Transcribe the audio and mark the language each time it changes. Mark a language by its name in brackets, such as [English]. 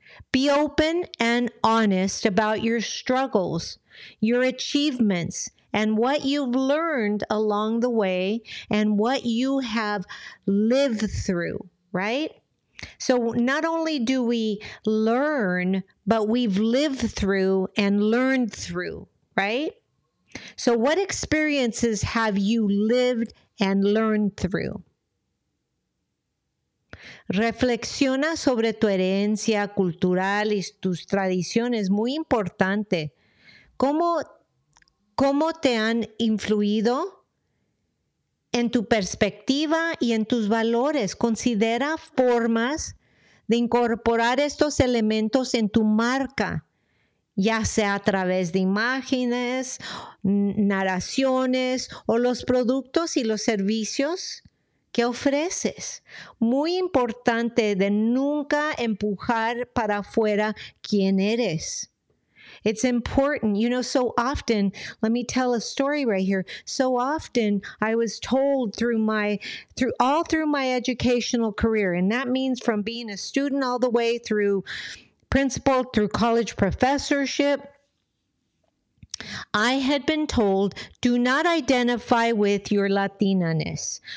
[English] Be open and honest about your struggles, your achievements, and what you've learned along the way and what you have lived through, right? So not only do we learn, but we've lived through and learned through, right? So what experiences have you lived and learned through? [Spanish] Reflexiona sobre tu herencia cultural y tus tradiciones. Muy importante. ¿Cómo te han influido en tu perspectiva y en tus valores? Considera formas de incorporar estos elementos en tu marca, ya sea a través de imágenes, narraciones o los productos y los servicios ¿Qué ofreces? Muy importante de nunca empujar para afuera quién eres. [English] It's important, you know, so often, let me tell a story right here. So often I was told through my educational career, and that means from being a student all the way through principal, through college professorship, I had been told, do not identify with your Latinaness.